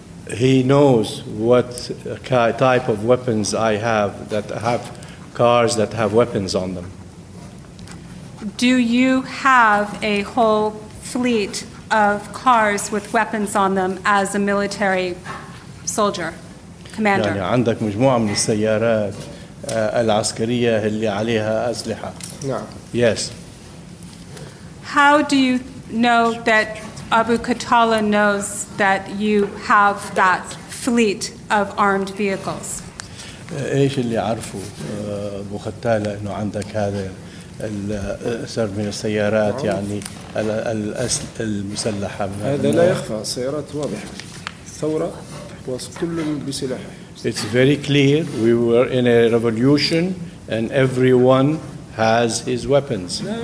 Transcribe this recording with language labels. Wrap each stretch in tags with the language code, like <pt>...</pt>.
<en>He knows what type of weapons I have, that have cars that have weapons on them. Do you have a whole fleet of cars with weapons on them as a military soldier?</en> <ar>يعني عندك مجموعة من السيارات العسكرية اللي عليها أسلحة. نعم.</ar> <en>Yes. How do you know that Abu Ghatala knows that you have that fleet of armed vehicles?</en> <ar>إيش اللي عرفوا أبو ختالة إنه عندك هذا السر من السيارات يعني المسلحة؟ هذا لا يخفى السيارات واضحة ثورة وكل بسلاح.</ar> <en>It's very clear we were in a revolution and everyone has his weapons.</en>